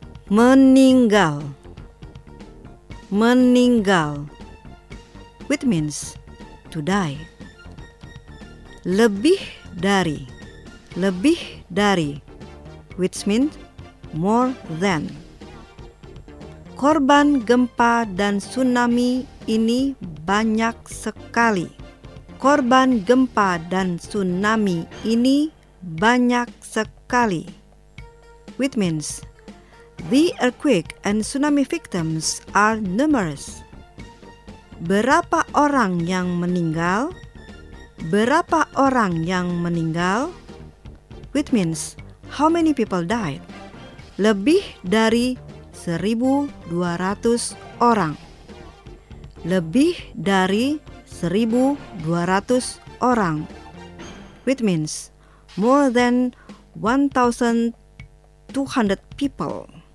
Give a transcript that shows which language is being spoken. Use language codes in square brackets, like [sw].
[id] Meninggal. Meninggal, [en] which means to die. [id] Lebih dari. Lebih dari, [en] which means more than. [id] Korban gempa dan tsunami ini banyak sekali. Korban gempa dan tsunami ini banyak sekali, [en] which means the earthquake and tsunami victims are numerous. [id] Berapa orang yang meninggal? Berapa orang yang meninggal? [en] Which means how many people died? [id] Lebih dari 1.200 orang. Lebih dari 1.200 orang. [en] Which means more than 1,200 people.